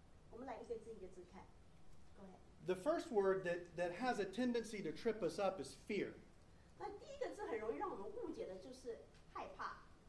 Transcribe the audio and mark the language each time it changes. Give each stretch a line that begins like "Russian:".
Chinese: 就说我们可把那刚才那一句把它拆开来看哈，就说因为是以前的这个英文是这个翻译是从原文过来希腊文过来的，希伯来人，希伯来人，希伯来文过来的，所以有的时候会不一定会被诠释错误。我们来一个字一个字看。
English: The first word that has a tendency to trip us up is fear.
Chinese: 那第一个字很容易让我们误解的就是害怕。